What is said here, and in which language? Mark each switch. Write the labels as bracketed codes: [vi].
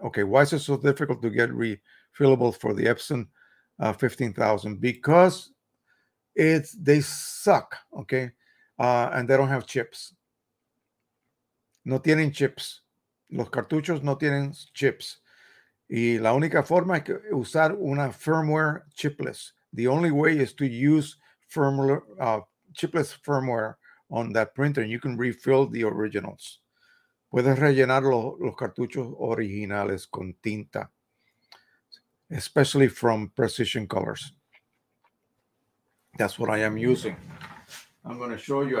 [en] Okay, why is it so difficult to get refillable for the Epson 15,000? Because they suck, okay? And they don't have chips. [es] No tienen chips. Los cartuchos no tienen chips. Y la única forma es usar una firmware chipless. [en] The only way is to use chipless firmware on that printer, and you can refill the originals. [es] Puedes rellenar los cartuchos originales con tinta, [en] especially from Precisioncolors. That's what I am using. I'm going to show you.